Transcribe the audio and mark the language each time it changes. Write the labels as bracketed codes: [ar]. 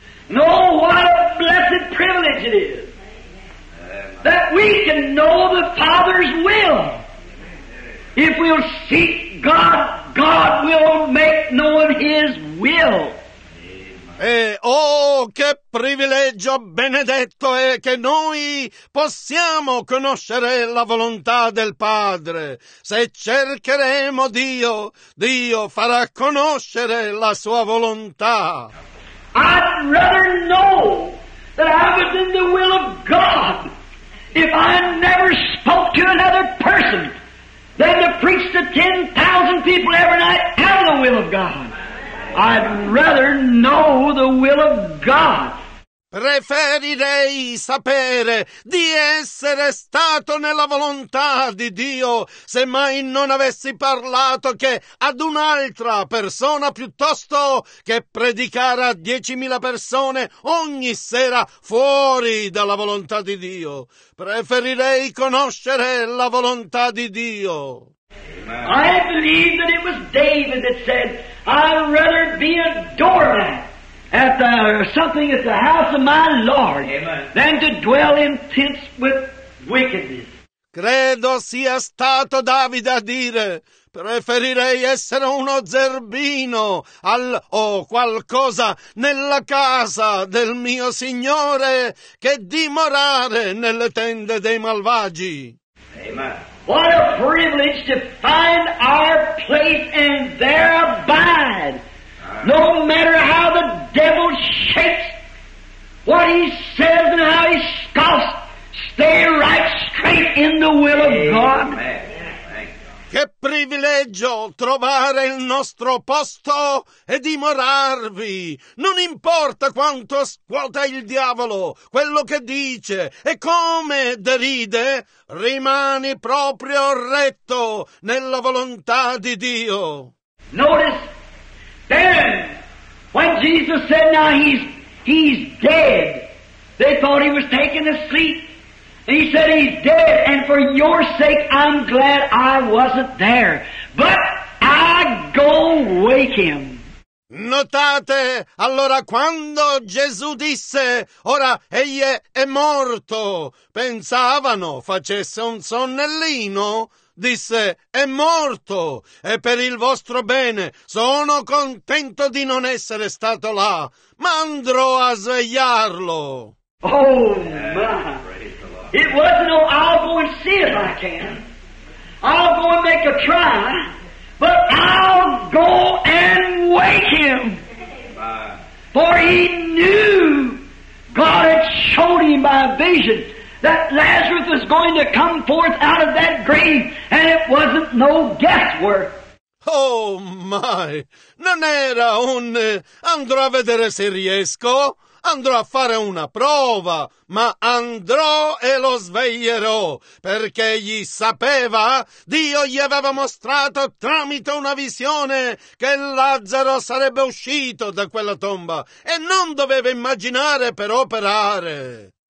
[en] No, what a blessed privilege it is that we can know the Father's will. If we'll seek God, God will make known His will. [it] E oh, che privilegio benedetto è che noi possiamo conoscere la volontà del Padre. Se cercheremo Dio, Dio farà conoscere la sua volontà. [en] I'd rather know that I was in the will of God if I never spoke to another person than to preach to 10,000 people every night out of the will of God. I'd rather know the will of God. [it] Preferirei sapere di essere stato nella volontà di Dio se mai non avessi parlato che ad un'altra persona piuttosto che predicare a 10.000 persone ogni sera fuori dalla volontà di Dio. Preferirei conoscere la volontà di Dio. [en] I believe that it was David that said, I'd rather be a doorman at the, or something at the house of my Lord. Amen. Than to dwell in tents with wickedness. [it] Credo sia stato Davide a dire, preferirei essere uno zerbino al qualcosa nella casa del mio Signore che dimorare nelle tende dei malvagi. Amen. [en] What a privilege to find our place and there abide. No matter how the devil shakes, what he says and how he scoffs, stay right straight in the will of God. [it] Che privilegio trovare il nostro posto e dimorarvi. Non importa quanto scuota il diavolo, quello che dice e come deride, rimani proprio retto nella volontà di Dio. [en] Notice, then, when Jesus said, now he's dead, they thought he was taking a sleep. He said, he's dead, and for your sake, I'm glad I wasn't there. But I go wake him. [it] Notate, allora, quando Gesù disse, ora, egli è morto, pensavano facesse un sonnellino, disse, è morto, e per il vostro bene, sono contento di non essere stato là, ma andrò a svegliarlo. [en] Oh, my. It wasn't, oh, I'll go and see if I can. I'll go and make a try. But I'll go and wake him. Bye. For he knew God had showed him by a vision that Lazarus was going to come forth out of that grave, and it wasn't no guesswork. Oh, my. [it] Non era un andrò a vedere se riesco. Andrò a fare una prova, ma andrò e lo sveglierò, perché egli sapeva, Dio gli aveva mostrato tramite una visione che Lazzaro sarebbe uscito da quella tomba e non doveva immaginare per operare.